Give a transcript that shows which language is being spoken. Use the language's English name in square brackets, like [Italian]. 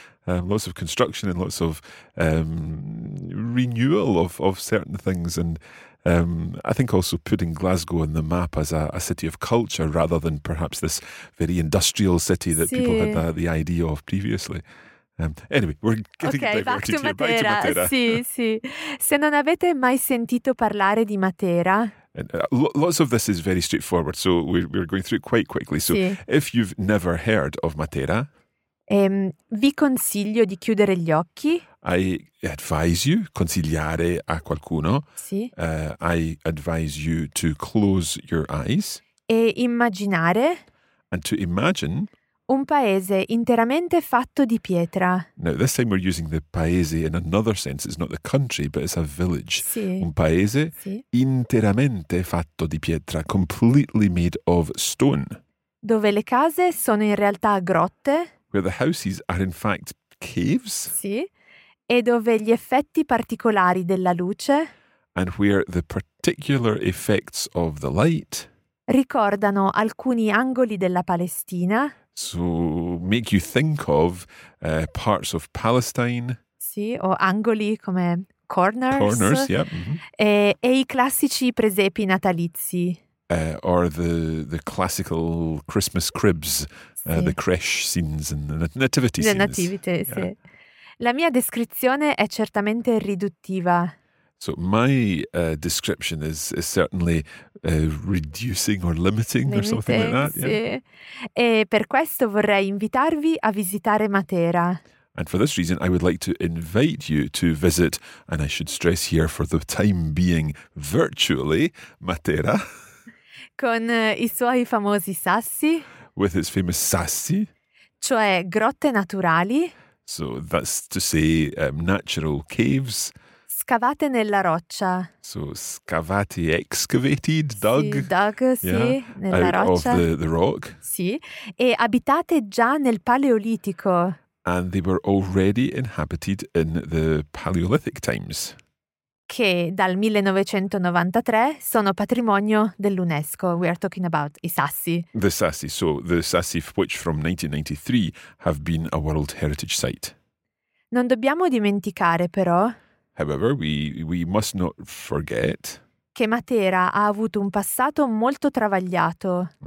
[English] Lots of construction and lots of renewal of certain things. And I think also putting Glasgow on the map as a city of culture rather than perhaps this very industrial city that [Italian] sì. [English] People had the idea of previously. Anyway, we're getting okay, diverted back to Matera. Sì, sì. [Italian] Se non avete mai sentito parlare di Matera... [English] Lots of this is very straightforward, so we're going through it quite quickly. So, sì. If you've never heard of Matera... [Italian] Vi consiglio di chiudere gli occhi. [English] I advise you, [Italian] consigliare a qualcuno. Sì. [English] I advise you to close your eyes. [Italian] E immaginare... [English] And to imagine... [Italian] Un paese interamente fatto di pietra. [English] Now, this time we're using the paese in another sense. It's not the country, but it's a village. [Italian] Sì. Un paese sì. Interamente fatto di pietra, [English] completely made of stone. [Italian] Dove le case sono in realtà grotte. [English] Where the houses are in fact caves. [Italian] Sì. E dove gli effetti particolari della luce. [English] And where the particular effects of the light. [Italian] Ricordano alcuni angoli della Palestina. [English] So make you think of parts of Palestine. [Italian] Sì, o angoli come corners. [English] Corners, yeah. Mm-hmm. [Italian] E i classici presepi natalizi. [English] Or the classical Christmas cribs, [Italian] sì. [English] The creche scenes and the nativity scenes. The nativity, yeah. Sì. [Italian] La mia descrizione è certamente riduttiva. [English] So my description is certainly reducing or limiting or something like that. [Italian] Sì. Yeah. E per questo vorrei invitarvi a visitare Matera. [English] And for this reason I would like to invite you to visit, and I should stress here for the time being, virtually, Matera. [Italian] Con i suoi famosi sassi. [English] With its famous sassi. [Italian] Cioè grotte naturali. [English] So that's to say natural caves. [Italian] Scavate nella roccia. [English] So, scavati, excavated, dug. Sì, dug, sì, yeah, [Italian] nella [English] out [Italian] roccia. [English] Out of the rock. [Italian] Sì, e abitate già nel Paleolitico. [English] And they were already inhabited in the Paleolithic times. [Italian] Che dal 1993 sono patrimonio dell'UNESCO. [English] We are talking about i sassi. The sassi, so the sassi which from 1993 have been a World Heritage Site. [Italian] Non dobbiamo dimenticare però... [English] However, we must not forget [Italian] che Matera ha avuto un passato molto travagliato.